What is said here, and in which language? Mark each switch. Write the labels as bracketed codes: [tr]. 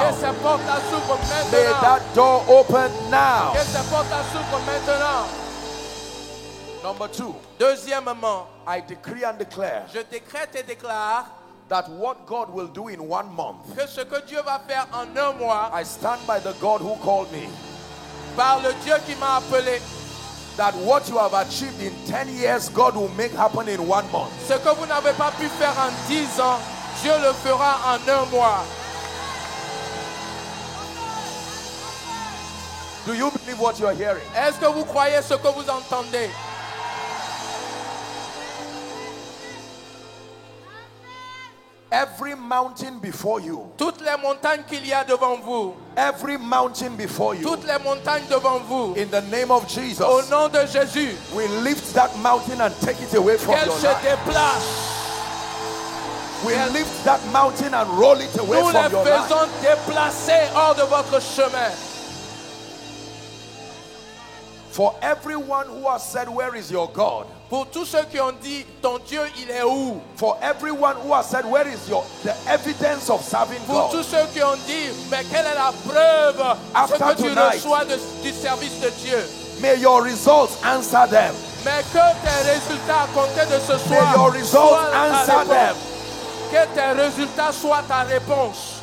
[fr] Que ces portes s'ouvrent maintenant. [en] May that door open now. [fr] Que ces portes s'ouvrent maintenant. [en] Number two. [fr] Deuxièmement, [en] I decree and declare. [fr] Je décrète et déclare [en] that what God will do in 1 month. [fr] Que ce que Dieu va faire en 1 mois. [en] I stand by the God who called me. [fr] Par le Dieu qui m'a appelé. [en] That what you have achieved in 10 years, God will make happen in 1 month. [fr] Ce que vous n'avez pas pu faire en 10 ans, Dieu le fera en 1 mois. [en] Do you believe what you are hearing? [fr] Est-ce que vous croyez ce que vous entendez? [en] Every mountain before you. [fr] Toutes les montagnes qu'il y a devant vous. [en] Every mountain before you. [fr] Toutes les montagnes devant vous. [en] In the name of Jesus. [fr] Au nom de Jésus. [en] We lift that mountain and take it away from your life. [fr] Qu'elle se déplace. [en] We lift that mountain and roll it away from your life. [fr] Nous les faisons déplacer hors de votre chemin. [en] For everyone who has said, "Where is your God?" [fr] Pour tous ceux qui ont dit, ton Dieu, il est où? [en] For everyone who has said, "Where is your the evidence of serving [fr] pour [en] God?" [fr] Pour tous ceux qui ont dit, mais quelle est la preuve [en] after [fr] ce que [en] tonight, [fr] tu reçois de, du service de Dieu? [en] May your results answer them. [fr] Mais que tes résultats à compter de ce soir. [en] May your results answer them. [fr] Que tes résultats soient ta réponse.